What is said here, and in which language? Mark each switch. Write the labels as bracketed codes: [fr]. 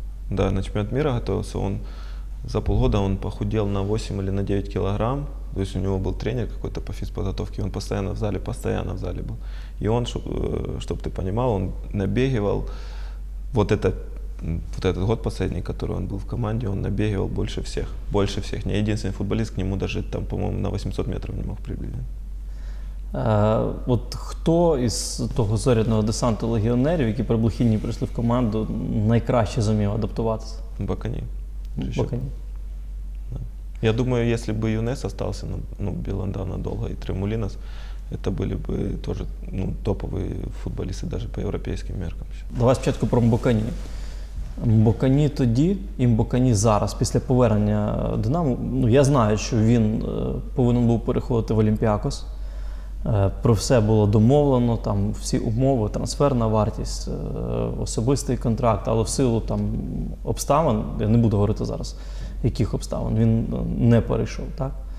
[ru] Да, [uk] на чемпіонат міра готувався, він [ru] за полгода он похудел на 8 или на 9 килограмм. То есть у него был тренер какой-то по физподготовке, он постоянно в зале был. И он, чтобы ты понимал, он набегивал, вот этот год последний, который он был в команде, он набегивал больше всех. Не единственный футболист, к нему даже там, по-моему, на 800 метров не мог приблизиться. [uk] От хто із того зорядного десанту легіонерів, які приблухідні прийшли в команду, найкраще зумів адаптуватися? Бакані. [ru] Я думаю, если бы Юнес остался, ну, Беланда надолго, и Тремулинос, это были бы тоже, ну, топовые футболисты даже по европейским меркам. [uk] Давай спочатку про Мбокані. Мбокані тоді і Мбокані зараз, після повернення Динамо. Ну, я знаю, що він повинен був переходити в Олімпіакос. Про все було домовлено, там всі умови, трансферна вартість, особистий контракт, але в силу там обставин, я не буду говорити зараз, яких обставин, він не перейшов, так?